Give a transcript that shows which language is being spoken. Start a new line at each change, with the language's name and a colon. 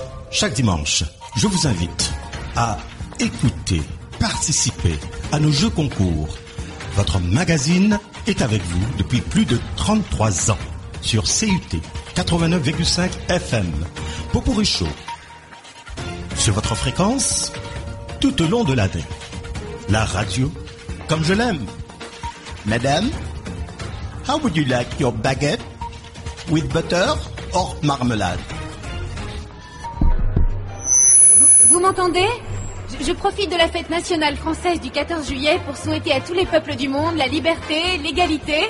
French: Chaque dimanche, je vous invite à écouter, participer à nos jeux concours. Votre magazine est avec vous depuis plus de 33 ans sur CUT 89,5 FM. Popourri Show. Sur votre fréquence, tout au long de l'année. La radio, comme je l'aime.
English: Madame, how would you like your baguette with butter or marmalade?
French: Vous m'entendez? Je profite de la fête nationale française du 14 juillet pour souhaiter à tous les peuples du monde la liberté, l'égalité...